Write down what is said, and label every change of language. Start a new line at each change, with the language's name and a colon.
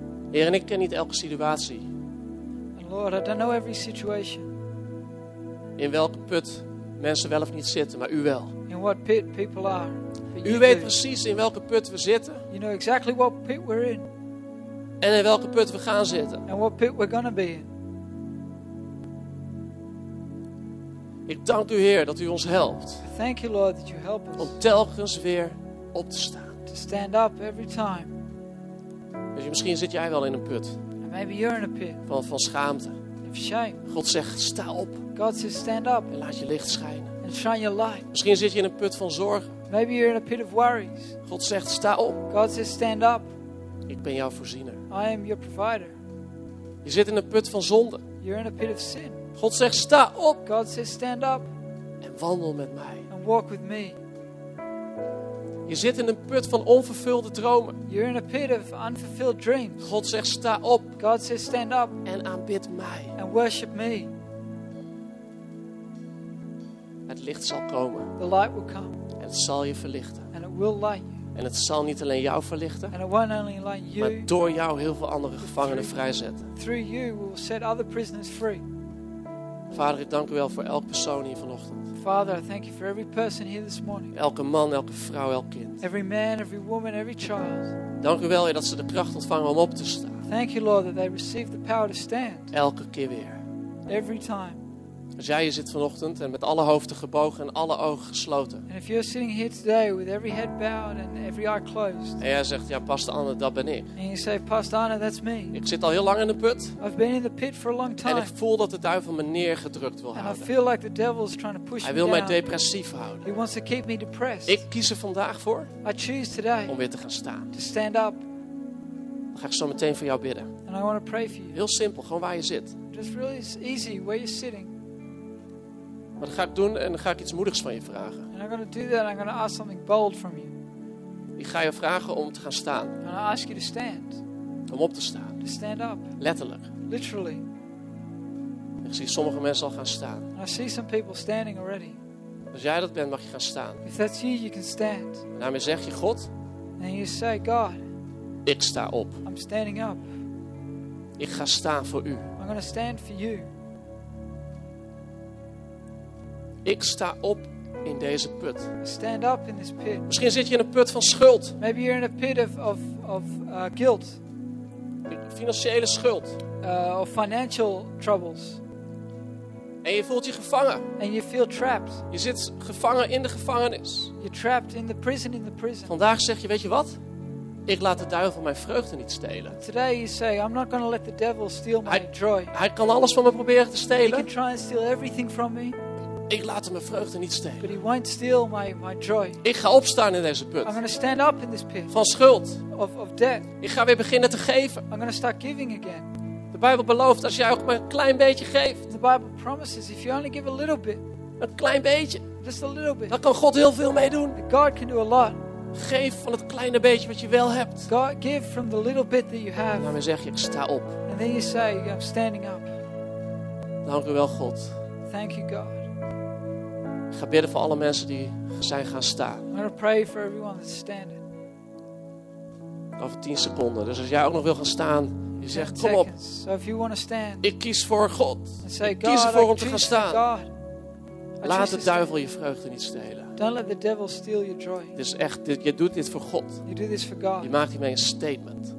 Dutch: Heer, en ik ken niet elke situatie.
English: And Lord, I don't know every situation.
Dutch: In welke put mensen wel of niet zitten, maar u wel.
English: In what pit people are.
Dutch: U weet precies in welke put we zitten.
English: You know exactly what pit we're in.
Dutch: En in welke put we gaan zitten.
English: And what pit we're gonna be in.
Dutch: Ik dank u, Heer, dat u ons helpt.
English: Thank you, Lord, that you help us.
Dutch: Om telkens weer op te staan.
English: To stand up every time.
Dutch: Misschien zit jij wel in een put.
English: And maybe you're in a pit.
Dutch: Van schaamte.
English: Of shame.
Dutch: God zegt, sta op.
English: God says, stand up.
Dutch: En laat je licht schijnen.
English: And shine your light.
Dutch: Misschien zit je in een put van zorgen.
English: Maybe you're in a pit of worries.
Dutch: God zegt, sta op.
English: God says, stand up.
Dutch: Ik ben jouw voorziener.
English: I am your provider.
Dutch: Je zit in een put van zonde.
English: You're in a pit of sin.
Dutch: God zegt, sta op.
English: God says, stand up.
Dutch: En wandel met mij.
English: And walk with me.
Dutch: Je zit in een put van onvervulde dromen.
English: You're in a pit of unfulfilled dreams.
Dutch: God zegt, sta op.
English: God says, stand up.
Dutch: En aanbid mij.
English: And worship me.
Dutch: Het licht zal komen.
English: The light will come.
Dutch: En het zal je verlichten.
English: And it will light you.
Dutch: En het zal niet alleen jou verlichten.
English: And it won't only light you.
Dutch: Maar door jou heel veel andere gevangenen vrijzetten.
English: Through you we'll set other prisoners free.
Dutch: Vader, ik dank u wel voor elk persoon hier vanochtend.
English: Father, I thank you for every person here this morning.
Dutch: Elke man, elke vrouw, elk kind.
English: Every man, every woman, every child.
Dutch: Dank u wel, Heer, dat ze de kracht ontvangen om op te staan.
English: Thank you, Lord, that they receive the power to stand.
Dutch: Elke keer weer.
English: Every time.
Dutch: Als jij hier zit vanochtend en met alle hoofden gebogen en alle ogen gesloten.
English: And if you're sitting here today with every head bowed and every eye closed.
Dutch: En jij zegt, ja, Pastor Anne, dat ben ik.
English: And you say, Pastor Anne, that's me.
Dutch: Ik zit al heel lang in de put.
English: I've been in the pit for a long time.
Dutch: En ik voel dat de duivel me neergedrukt wil houden.
English: And I feel like the devil's trying to push me down.
Dutch: Hij wil mij depressief houden.
English: He wants to keep me depressed.
Dutch: Ik kies er vandaag voor.
English: I choose today.
Dutch: Om weer te gaan staan.
English: To stand up.
Dutch: Dan ga ik zo meteen voor jou bidden.
English: And I want to pray for you.
Dutch: Heel simpel, gewoon waar je zit.
English: Just really easy where you're sitting.
Dutch: Maar dat ga ik doen en dan ga ik iets moedigs van je vragen.
English: And I'm going to do that. I'm going to ask something bold from you.
Dutch: Ik ga je vragen om te gaan staan.
English: And I'll ask you to stand.
Dutch: Om op te staan.
English: To stand up.
Dutch: Letterlijk.
English: Literally.
Dutch: Ik zie sommige mensen al gaan staan.
English: And I see some people standing already.
Dutch: Als jij dat bent, mag je gaan staan.
English: If that's you, you can stand.
Dutch: En daarmee zeg je God.
English: And you say God.
Dutch: Ik sta op.
English: I'm standing up.
Dutch: Ik ga staan voor u.
English: I'm going to stand for you.
Dutch: Ik sta op in deze put.
English: Stand up in this pit.
Dutch: Misschien zit je in een put van schuld.
English: Maybe you're in a pit of guilt.
Dutch: Financiële schuld.
English: Of financial troubles.
Dutch: En je voelt je gevangen.
English: And you feel trapped.
Dutch: Je zit gevangen in de gevangenis.
English: You're trapped in the prison.
Dutch: Vandaag zeg je, weet je wat? Ik laat de duivel mijn vreugde niet stelen.
English: Today you say, I'm not going to let the devil steal my joy.
Dutch: Hij kan alles van me proberen te stelen.
English: He can try and steal everything from me.
Dutch: Ik laat hem mijn vreugde niet stelen.
English: But he won't steal my joy.
Dutch: Ik ga opstaan in deze put.
English: I'm going to stand up in this pit.
Dutch: Van schuld.
English: Of debt.
Dutch: Ik ga weer beginnen te geven.
English: I'm going to start giving again.
Dutch: De Bijbel belooft als jij ook maar een klein beetje geeft.
English: The Bible promises if you only give a little bit.
Dutch: Een klein beetje.
English: Just a little bit.
Dutch: Dan kan God heel veel mee doen.
English: God can do a lot.
Dutch: Geef van het kleine beetje wat je wel hebt.
English: God, give from the little bit that you have.
Dutch: En dan zeg je, ik sta op.
English: And then you say, I'm standing up.
Dutch: Dank u wel, God.
English: Thank you, God.
Dutch: Ik ga bidden voor alle mensen die zijn gaan staan.
English: I'm going to pray for everyone that's standing.
Dutch: Over 10 seconden. Dus als jij ook nog wil gaan staan, je zegt, kom op.
English: So if you want to stand,
Dutch: ik kies voor God.
English: Say,
Dutch: ik kies ervoor om te gaan staan. God. Laat de duivel je vreugde niet stelen.
English: Don't let the devil steal your joy.
Dutch: Dus echt, je doet dit voor God.
English: You do this for God.
Dutch: Je maakt hiermee een statement.